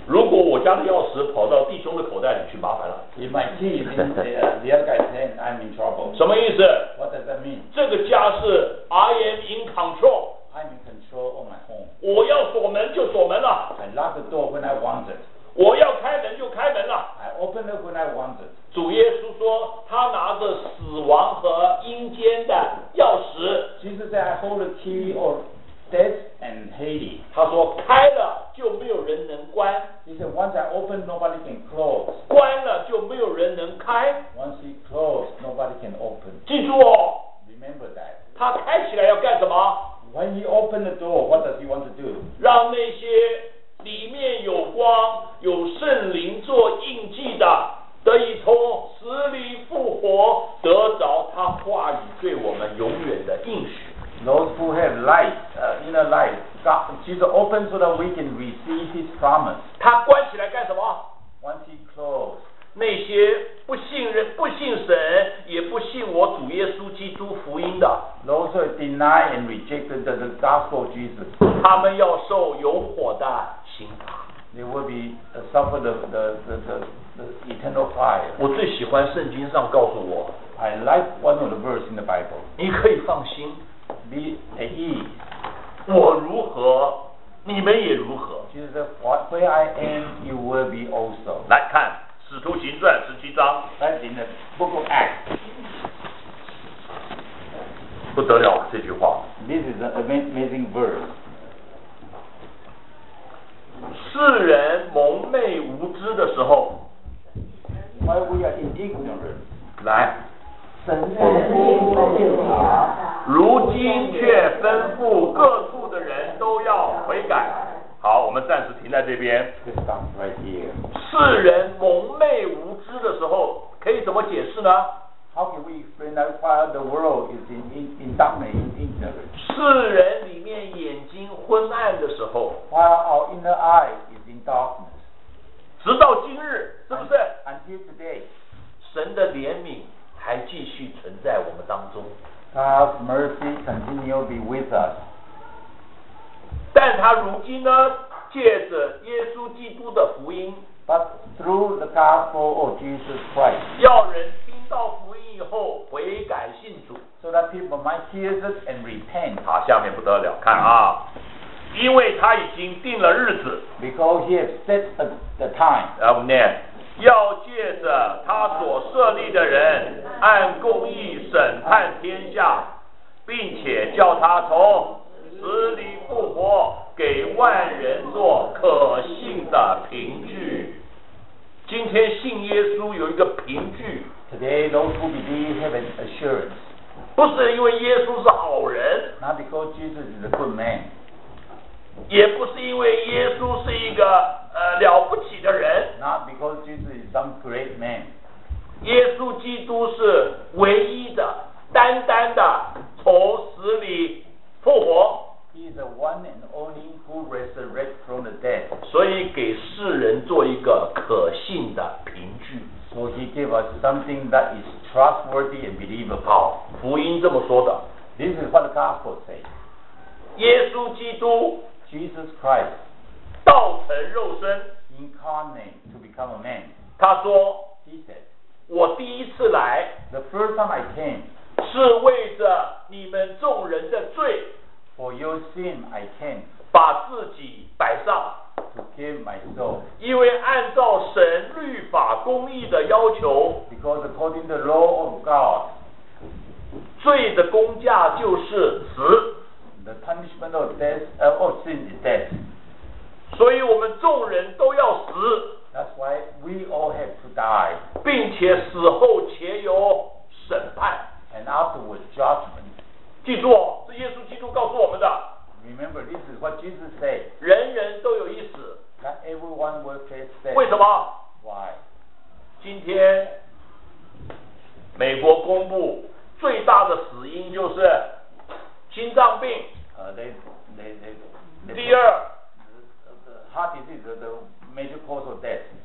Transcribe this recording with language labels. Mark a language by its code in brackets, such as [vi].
[zh] 如果我家的钥匙跑到弟兄的口袋里去，麻烦了。 [en] If my key is in the other guy's hand, I'm in trouble. [zh] 什么意思？ [en] What does that mean? [zh] 这个家是 [en] I am in control. I'm in control of my home. [zh] 我要锁门就锁门了。 [en] I lock the door when I want it. [zh] 我要开门就开门了。 [en] I open it when I want it. [zh] 主耶稣说，他拿着死亡和阴间的钥匙。 [en] Jesus said, I hold the key of death and Hades. [zh] 他说，开了就没有人能关。 [en] He said, once I open, nobody can close. [zh] 关了就没有人能开。 [en] Once he closed, nobody can open. [zh] 记住哦。 [en] Remember that. [zh] 他开起来要干什么？ [en] When he opened the door, what does he want to do? [zh] 让那些里面有光、有圣灵做印记的。得以从死里复活，得着他话语对我们永远的应许。 [en] Those who have light, inner light, God, Jesus opens so that we can receive His promise. [zh] 他关起来干什么？ [en] Once he closed, [zh] 那些不信任、不信神，也不信我主耶稣基督福音的， [en] Those who deny and reject the gospel of Jesus, [zh] 他们要受有火的刑罚。 [en] They will be suffer the eternal fire. [zh] 我最喜欢圣经上告诉我。 [en] I like one of the verses in the Bible. [zh] 你可以放心。 [en] Be at ease. [zh] 我如何，你们也如何。 [en] Jesus said, "Where I am, you will be also." [zh] 来看《使徒行传》十七章。 [en] That's in the Book of Acts. [zh] 不得了，这句话。 [en] This is an amazing verse. [zh] 世人蒙昧无知的时候， [en] Why we are in ignorance? [zh] 来，神的命令没有啊，如今却吩咐各处的人都要悔改。好，我们暂时停在这边。世人蒙昧无知的时候可以怎么解释呢？ [en] How can we explain that while the world is in darkness in ignorance? [zh] 世人里面眼睛昏暗的时候， [en] while our inner eye is in darkness. [zh] 直到今日，是不是？ [en] Until today, [zh] 神的怜悯还继续存在我们当中。 [en] God's mercy continues to be with us. [zh] 但他如今呢，借着耶稣基督的福音， [en] But through the gospel of Jesus Christ, [zh] 要人听到福音以后悔改信主， [en] so that people might hear this and repent. [zh] 好，下面不得了，看啊，因为他已经定了日子， [en] because he has set the time. [zh] 来，我们念，要借着他所设立的人按公义审判天下，并且叫他从死里复万人做可信的凭据。今天信耶稣有一个凭据。 [en] Today those who believe have an assurance. [zh] 不是因为耶稣是好人。 [en] Not because Jesus is a good man. [zh] 也不是因为耶稣是一个了不起的人。 [en] Not because Jesus is some great man. [zh] 耶稣基督是唯一的，单单的从死里复活。 [en] He is the one and only who resurrected from the dead. [zh] 所以给世人做一个可信的凭据。 [en] So he gave us something that is trustworthy and believable. [zh] 好，福音这么说的。 [en] This is what the gospel says. [zh] 耶稣基督 [en] Jesus Christ [zh] 道成肉身 [en] incarnate to become a man. [zh] 他说 [en] He said [zh] 我第一次来 [en] The first time I came [zh] 是为着你们众人的罪 [en] For your sin, I came. [zh] 把自己摆上。 [en] To give my soul. [zh] 因为按照神律法公义的要求。 [en] Because according to the law of God. [zh] 罪的工价就是死。 [en] The punishment of death, or sin is death. [zh] 所以我们众人都要死。 [en] That's why we all have to die. [zh] 并且死后且有审判。 [en] And afterwards judgment. [zh] 记住耶稣基督告诉我们的 [en] Remember, this is what Jesus said. [zh] 人人都有一死 [en] Not everyone will face death. [zh] 为什么 [en] Why? [zh] 今天美国公布最大的死因就是心脏病 [en] they [zh] 第二 [en] Heart disease is the major cause of death.